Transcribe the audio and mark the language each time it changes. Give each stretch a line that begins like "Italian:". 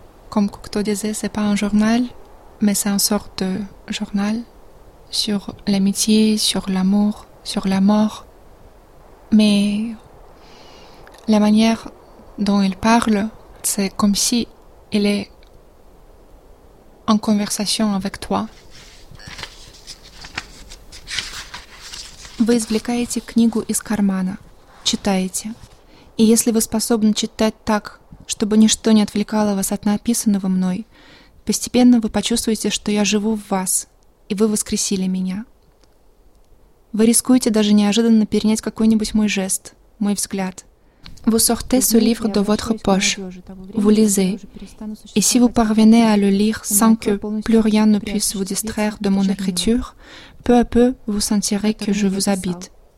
French: Comme Cocteau disait, c'est pas un journal, mais c'est une sorte de journal sur l'amitié, sur l'amour, sur la mort. Mais la manière dont il parle, c'est comme si il est en conversation avec toi.
Russian: Вы извлекаете книгу из кармана, читаете. И если вы способны читать так, чтобы ничто не отвлекало вас от написанного мной, постепенно вы почувствуете, что я живу в вас, и вы воскресили меня. Вы рискуете даже неожиданно перенять какой-нибудь мой жест, мой взгляд. Вы
French: sortez ce livre de votre poche, vous lisez. Et si vous parvenez à le lire sans que plus rien ne puisse vous distraire de mon écriture, peu à peu, vous sentirez que je vous habite.